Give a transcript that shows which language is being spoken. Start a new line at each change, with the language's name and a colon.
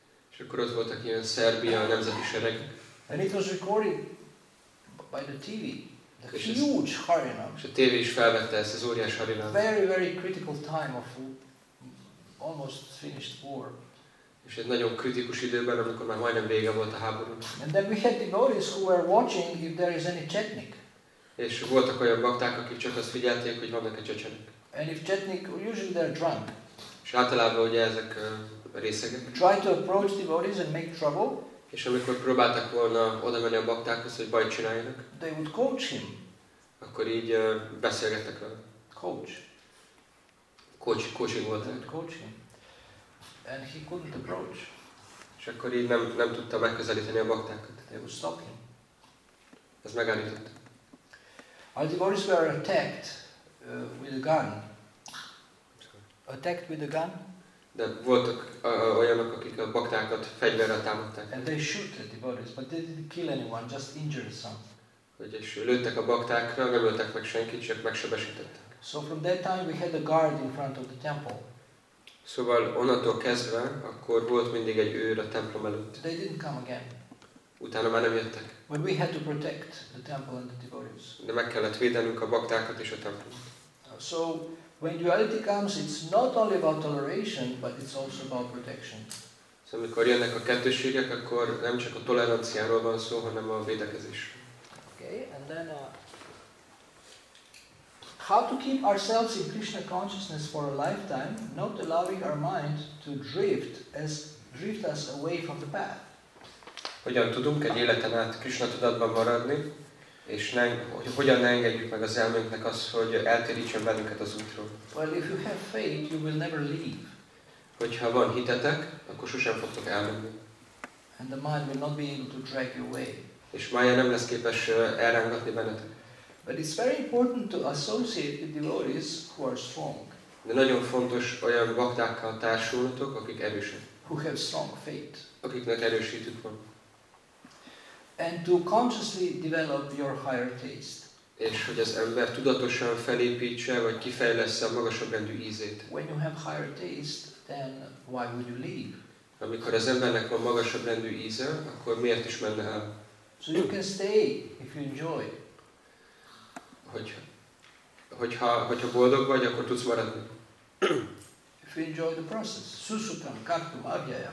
Hungarian: És akkor ott voltak ilyen Szerbia nemzeti sereg.
English: And it was recorded by the TV. The huge harinam.
Hungarian: És a TV is felvette ezt az óriás harinam.
English: Very, very critical time of almost finished war.
Hungarian: És egy nagyon kritikus időben, amikor már majdnem vége volt a háború.
English: And then we had devotees who were watching if there is any Chetnik.
Hungarian: És voltak olyan bakták, akik csak azt figyelték, hogy vannak-e csecsenek.
English: And if Chetnik, usually they're drunk.
Hungarian: És általában ugye ezek részegek.
English: Try to approach devotees and make trouble.
Hungarian: És amikor próbáltak volna oda menni a baktákhoz, hogy bajt csináljanak.
English: They would coach him.
Hungarian: Akkor így beszélgettek vele.
English: Coach.
Hungarian: Coaching volt.
English: Coach him. And he couldn't approach.
Hungarian: És akkor így nem tudta megközelíteni a baktákat.
English: They would stop him.
Hungarian: Ez megállította.
English: Our devotees were attacked with a gun. Attacked with a gun?
Hungarian: De voltak olyanok, akik a baktákat fegyverrel támadták.
English: And they shoot at the devotees, but they didn't kill anyone, just injured some.
Hungarian: Hogy és lőttek a baktákra, nem öltek meg senkit, csak megsebesítettek.
English: So from that time we had a guard in front of the temple.
Hungarian: Szóval onnantól kezdve, akkor volt mindig egy őr a templom előtt.
English: They didn't come again.
Hungarian: Utána már nem jöttek.
English: When we had to protect the temple and the devotees.
Hungarian: De meg kellett védenünk a baktákat és a templomot.
English: So when duality comes, it's not only about toleration, but it's also about protection.
Hungarian: Szóval amikor jönnek a kettőségek, akkor nem csak a toleranciáról van szó, hanem a védekezés.
English: Okay, and then how to keep ourselves in Krishna consciousness for a lifetime, not allowing our mind to drift us away from the path.
Hungarian: Hogyan tudunk egy életen át Krishna tudatban maradni, és hogyan ne engedjük meg az elménknek azt, hogy eltérítsen bennünket az útról.
English: Well, if you have faith, you will never leave.
Hungarian: Hogyha van hitetek, akkor sosem fogtok elmenni.
English: And the mind will not be able to drag you away.
Hungarian: És mája nem lesz képes elrángatni bennetek.
English: But it's very important to associate with devotees who are strong.
Hungarian: De nagyon fontos olyan baktákkal társulnotok, akik erősek.
English: Who have strong faith.
Hungarian: Akiknek erős hitük van.
English: And to consciously develop your higher taste.
Hungarian: És hogy az ember tudatosan felépítse vagy kifejlessze a magasabb rendű ízét.
English: When you have higher taste, then why would you leave?
Hungarian: Amikor az embernek van magasabb rendű íze, akkor miért is menne el?
English: So you can stay if you enjoy.
Hungarian: Hogyha boldog vagy, akkor tudsz maradni.
English: If you enjoy the process,
Sanskrit: susukam kartum avyaya.